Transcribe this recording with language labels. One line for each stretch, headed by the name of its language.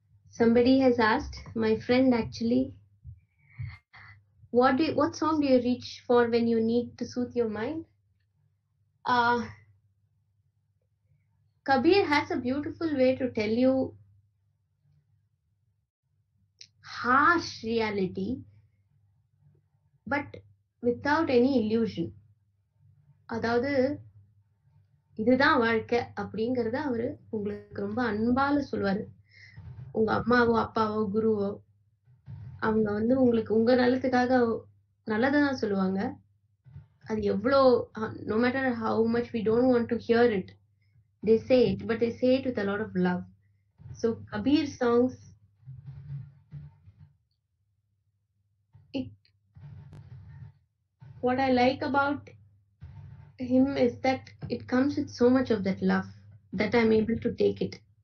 English: Somebody has asked, my friend actually, what song do you reach for when you need to soothe your mind? Kabir has a beautiful way to tell you harsh reality, but without any illusion.
Tamil: அதாவது இதுதான் வாழ்க்கை அப்படிங்கறத அவரு உங்களுக்கு ரொம்ப அன்பால சொல்வாரு. உங்க அம்மாவோ அப்பாவோ குருவோ அவங்க வந்து உங்களுக்கு உங்க நலத்துக்காக நல்லதான் சொல்லுவாங்க. அது எவ்வளோ
English: no matter how much we don't want to hear it, they say it, but they say it with a lot of love. So Kabir songs, what I like about him is that it comes with so much of that love that I'm able to take it.